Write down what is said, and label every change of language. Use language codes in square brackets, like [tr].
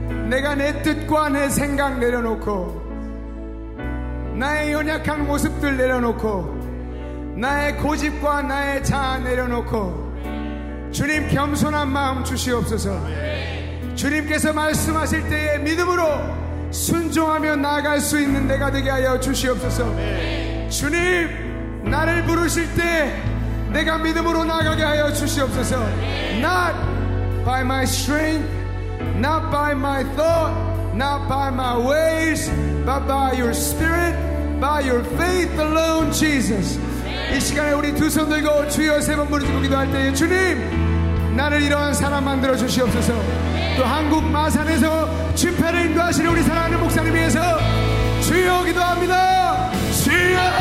[ko] 내가 내 뜻과 내 생각 내려놓고 나의 연약한 모습들 내려놓고 나의 고집과 나의 자아 내려놓고 주님 겸손한 마음 주시옵소서. 주님께서 말씀하실 때에 믿음으로 순종하며 나아갈 수 있는 내가 되게 하여 주시옵소서. 주님 나를 부르실 때 내가 믿음으로 나아가게 하여 주시옵소서. [en] Not by my strength, not by my thought, not by my ways, but by your spirit, by your faith alone, Jesus. [ko] 이 시간에 우리 두 손 들고 주여 세 번 부르시고 기도할 때 주님 나를 이러한 사람 만들어 주시옵소서. 또 한국 마산에서 집회를 인도하시는 우리 사랑하는 목사님 위해서 주여 기도합니다. 주여